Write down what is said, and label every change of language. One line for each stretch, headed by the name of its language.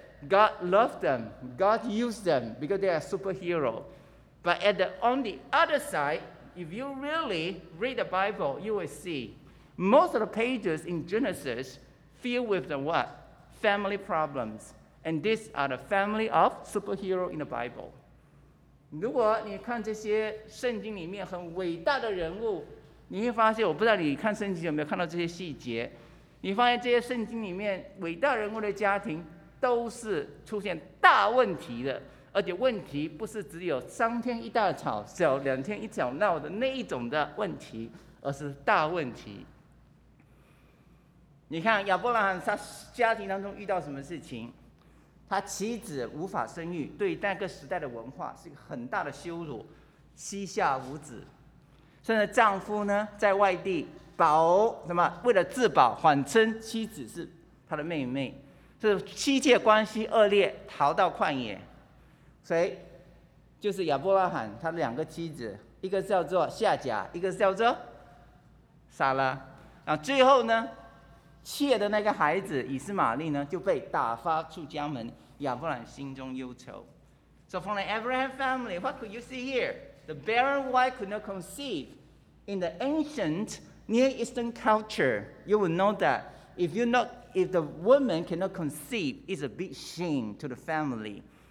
English: God loved them. God used them because they are superheroes. But on the other side, if you really read the Bible, you will see most of the pages in Genesis filled with the what? Family problems. And these are the family of superheroes in the Bible.
Chinese: 如果你看这些圣经里面很伟大的人物，你会发现，我不知道你看圣经有没有看到这些细节。你发现这些圣经里面伟大人物的家庭都是出现大问题的，而且问题不是只有三天一大吵，小两天一小闹的那一种的问题，而是大问题。你看亚伯拉罕他家庭当中遇到什么事情？他妻子无法生育，对那个时代的文化是一个很大的羞辱，膝下无子。甚至丈夫呢，在外地保什么？为了自保，谎称妻子是他的妹妹，是妻妾关系恶劣，逃到旷野。谁？就是亚伯拉罕他的两个妻子，一个叫做夏甲，一个叫做撒拉。然后最后呢？妾的那个孩子以斯玛利呢，就被打发出家门。亚伯兰心中忧愁。
English: So from the Abraham family, what could you see here? The barren wife could not conceive. In the ancient Near Eastern culture, you will know that if the woman cannot conceive, it's a big shame to the family.